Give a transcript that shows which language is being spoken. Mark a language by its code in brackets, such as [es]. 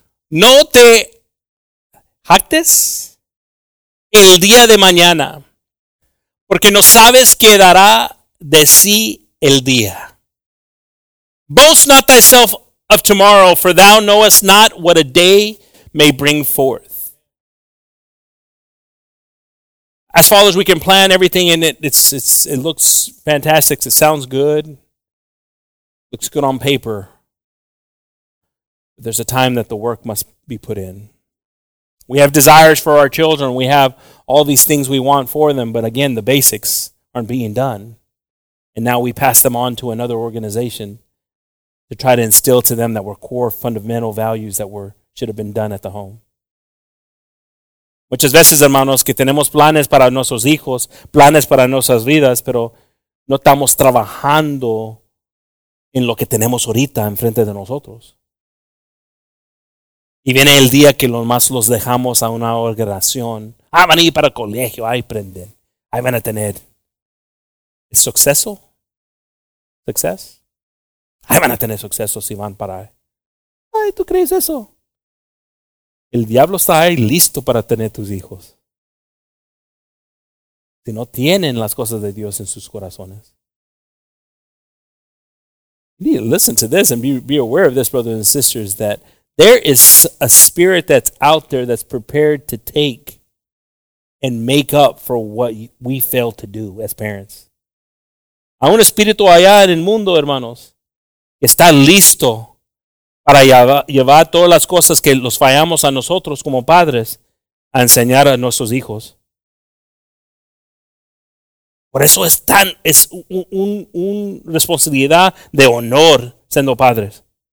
[es] No te jactes el día de mañana, porque no sabes qué dará de sí el día. [en] Boast not thyself of tomorrow, for thou knowest not what a day may bring forth. As fathers, we can plan everything in it. It looks fantastic. It sounds good. Looks good on paper. But there's a time that the work must be put in. We have desires for our children. We have all these things we want for them. But again, the basics aren't being done. And now we pass them on to another organization to try to instill to them that were core fundamental values that were should have been done at the home. [es] Muchas veces, hermanos, que tenemos planes para nuestros hijos, planes para nuestras vidas, pero no estamos trabajando en lo que tenemos ahorita enfrente de nosotros. Y viene el día que los más los dejamos a una organización. Ah, van a ir para el colegio. Ahí prenden. Ahí van a tener el suceso. Success. Ahí van a tener suceso si van para ahí. Ay, ¿tú crees eso? El diablo está ahí listo para tener tus hijos. Si no tienen las cosas de Dios en sus corazones. [en] You need to listen to this and be aware of this, brothers and sisters, that there is a spirit that's out there that's prepared to take and make up for what we fail to do as parents. [es] Hay un espíritu allá en el mundo, hermanos, que está listo para llevar todas las cosas que los fallamos a nosotros como padres a enseñar a nuestros hijos. Por eso es una responsabilidad de honor siendo padres.